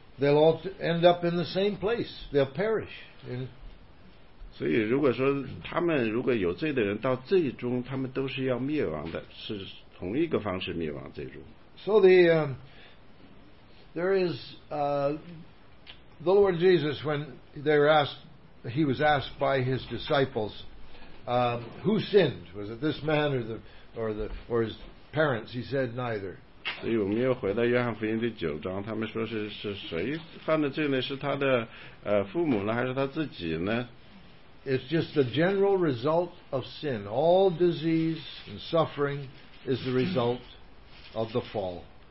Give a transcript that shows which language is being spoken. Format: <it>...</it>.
<en>They'll all end up in the same place. They'll perish.</en> <zh>所以如果说他们如果有罪的人到最终他们都是要灭亡的，是同一个方式灭亡最终。</zh> <en>So the there is the Lord Jesus, when they were asked, he was asked by his disciples, who sinned? Was it this man or his parents? He said neither.</en> <zh>所以我们又回到约翰福音第九章，他们说是谁犯的罪呢？是他的父母呢，还是他自己呢？</zh> <en>It's just the general result of sin. All disease and suffering is the result of the fall.</en>